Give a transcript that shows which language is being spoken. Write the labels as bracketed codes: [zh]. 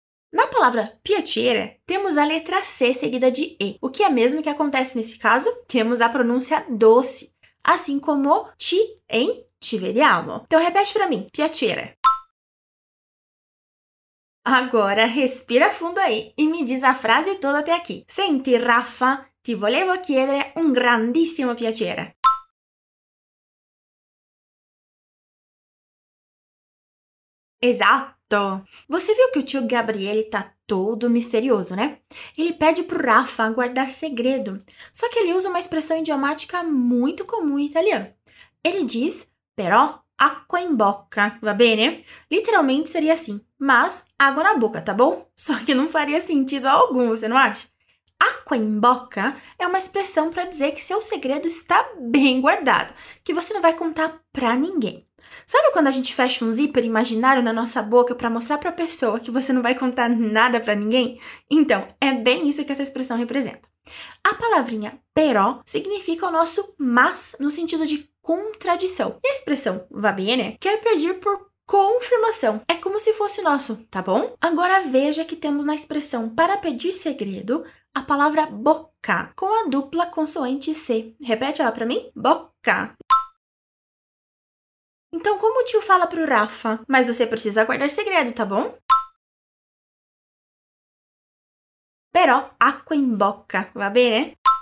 [pt] Na palavra piacere, temos a letra C seguida de E. O que é mesmo que acontece nesse caso? Temos a pronúncia doce, assim como ti em [it] ti vediamo. [pt] Então repete para mim, piacere. Agora respira fundo aí e me diz a frase toda até aqui. [it] Senti, Rafa, ti volevo chiedere un grandissimo piacere. Esatto. [pt] Você viu que o tio Gabriele tá todo misterioso, né? Ele pede pro Rafa guardar segredo. Só que ele usa uma expressão idiomática muito comum em italiano. Ele diz, [it] però, acqua in bocca, va bene? [pt] Literalmente seria assim, mas água na boca, tá bom? Só que não faria sentido algum, você não acha? [it] Acqua in bocca [pt] é uma expressão para dizer que seu segredo está bem guardado, que você não vai contar pra ninguém. Sabe quando a gente fecha um zíper imaginário na nossa boca para mostrar para a pessoa que você não vai contar nada para ninguém? Então, é bem isso que essa expressão representa. A palavrinha però significa o nosso mas no sentido de contradição. E a expressão va bene quer pedir por confirmação. É como se fosse o nosso, tá bom? Agora veja que temos na expressão para pedir segredo a palavra bocca com a dupla consoante C. Repete ela para mim. Bocca. Então, como o tio fala pro Rafa? Mas você precisa guardar segredo, tá bom? [it] Però, acqua in bocca, va bene?